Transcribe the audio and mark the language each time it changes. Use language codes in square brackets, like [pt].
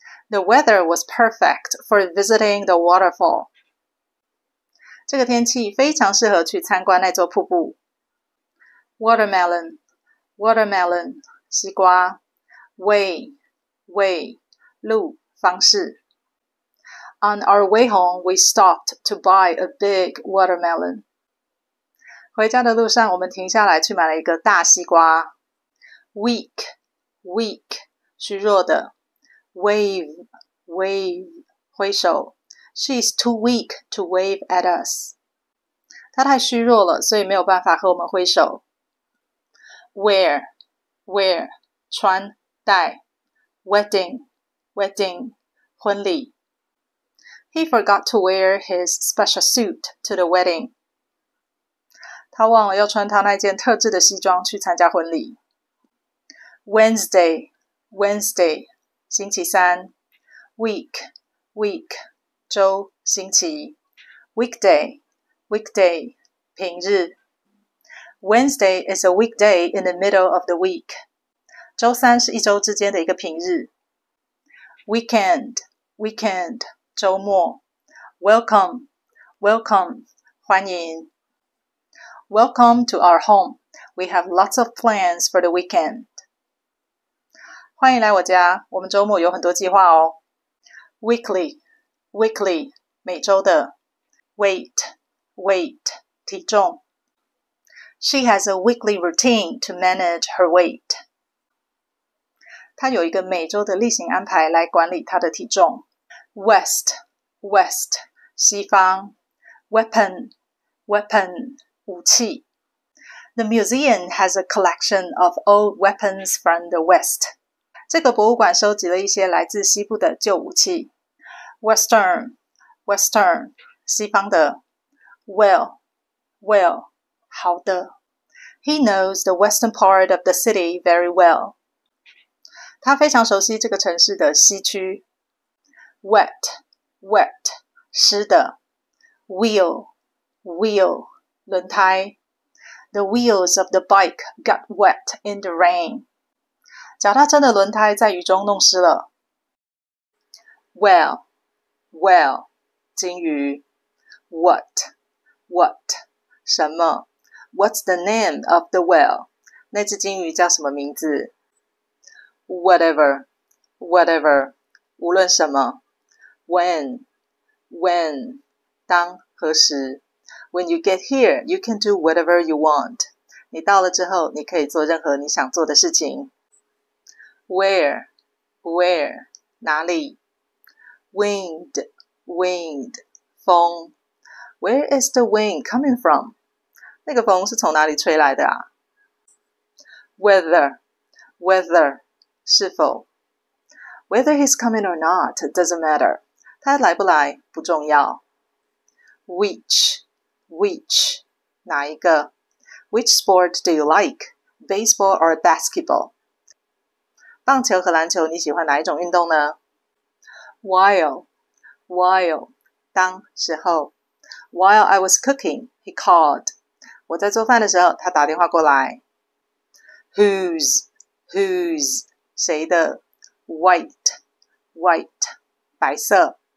[en] The weather was perfect for visiting the waterfall. [zh] 这个天气非常适合去参观那座瀑布。 [en] Watermelon, watermelon, [zh] 西瓜。 [en] Way, way, [zh] 路方式。 [en] On our way home, we stopped to buy a big watermelon. [zh] 回家的路上，我们停下来去买了一个大西瓜。 [en] Weak, weak, [zh] 虚弱的。 [en] Wave, wave, [zh] 挥手。 [en] She's too weak to wave at us. [zh] 她太虚弱了，所以没有办法和我们挥手。 [en] Wear, wear, [zh] 穿戴。 [en] Wedding, wedding, [zh] 婚礼。 [en] He forgot to wear his special suit to the wedding. [zh] 他忘了要穿他那件特制的西装去参加婚礼。 [en] Wednesday, Wednesday, [zh] 星期三。 [en] Week, week, [zh] 周星期。 [en] Weekday, weekday, [zh] 平日。 [en] Wednesday is a weekday in the middle of the week. [zh] 周三是一周之间的一个平日。 [en] Weekend, weekend. [zh] 周末 [en] ，Welcome, welcome, [zh] 欢迎。 [en] Welcome to our home. We have lots of plans for the weekend. [zh] 欢迎来我家，我们周末有很多计划哦。 [en] Weekly, weekly, [zh] 每周的。 [en] Weight, weight, [zh] 体重。 [en] She has a weekly routine to manage her weight. [zh] 她有一个每周的例行安排来管理她的体重。 [en] West, west, [zh] 西方。 [en] Weapon, weapon, [zh] 武器。 [en] The museum has a collection of old weapons from the west. [zh] 这个博物馆收集了一些来自西部的旧武器。 [en] Western, western, [zh] 西方的。 [en] Well, well, [zh] 好的。 [en] He knows the western part of the city very well. [zh] 他非常熟悉这个城市的西区。 [en] Wet, wet, [zh] 湿的。 [en] Wheel, wheel, [zh] 轮胎。 [en] The wheels of the bike got wet in the rain. [zh] 脚踏车的轮胎在雨中弄湿了。 [en] Well, well, [zh] 金鱼。 [en] What, what, [zh] 什么。 [en] What's the name of the well? [zh] 那只金鱼叫什么名字。 [en] Whatever, whatever, [zh] 无论什么。 [en] When, when, [zh] 当何时。 [en] When you get here, you can do whatever you want. [zh] 你到了之后，你可以做任何你想做的事情。 [en] Where, where, [zh] 哪里。 [en] Wind, wind, [zh] 风。 [en] Where is the wind coming from? [zh] 那个风是从哪里吹来的啊？ [en] Whether, whether, [zh] 是否。 [en] Whether he's coming or not doesn't matter. [zh] 他来不来不重要。 [en] Which, which, [zh] 哪一个。 [en] Which sport do you like, baseball or basketball? [zh] 棒球和篮球你喜欢哪一种运动呢？ [en] While, while, [zh] 当时候。 [en] While I was cooking, he called. [zh] 我在做饭的时候他打电话过来。 [en] Whose, whose, [zh] 谁的。 [en] White, white, [zh] 白色。